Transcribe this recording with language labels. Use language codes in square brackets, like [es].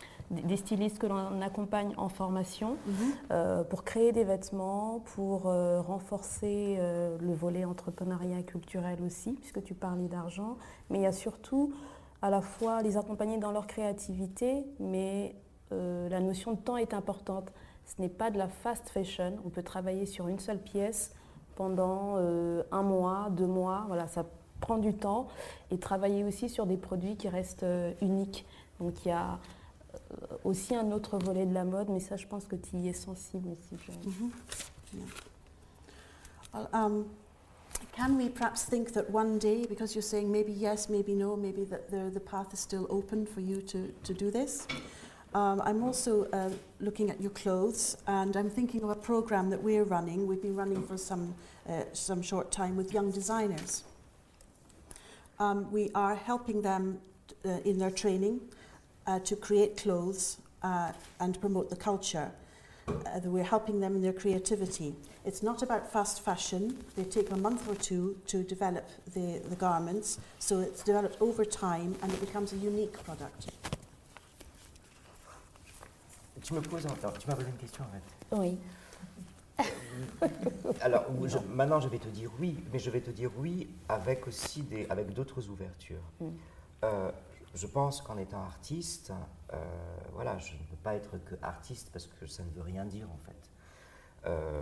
[fr] des stylistes que l'on accompagne en formation, pour créer des vêtements, pour renforcer le volet entrepreneuriat culturel aussi, puisque tu parlais d'argent, mais il y a surtout à la fois les accompagner dans leur créativité, mais la notion de temps est importante, ce n'est pas de la fast fashion, on peut travailler sur une seule pièce pendant un mois, deux mois, voilà, ça prend du temps et travailler aussi sur des produits qui restent uniques. Donc il y a aussi un autre volet de la mode, mais ça je pense que tu y es sensible aussi. [en] Well, can we perhaps think that one day, because you're saying maybe yes, maybe no, maybe that the path is still open for you to do this. I'm also looking at your clothes and I'm thinking of a program that we're running. We've been running for some short time with young designers. We are helping them in their training to create clothes and promote the culture. We're helping them in their creativity. It's not about fast fashion. They take a month or two to develop the garments, so it's developed over time and it becomes a unique product. [fr] Tu me poses en temps. Tu m'as posé une question, en fait. Oui. Alors, maintenant, je vais te dire oui, mais je vais te dire oui avec aussi avec d'autres ouvertures. Mm. Je pense qu'en étant artiste, voilà, je ne peux pas être que artiste parce que ça ne veut rien dire en fait.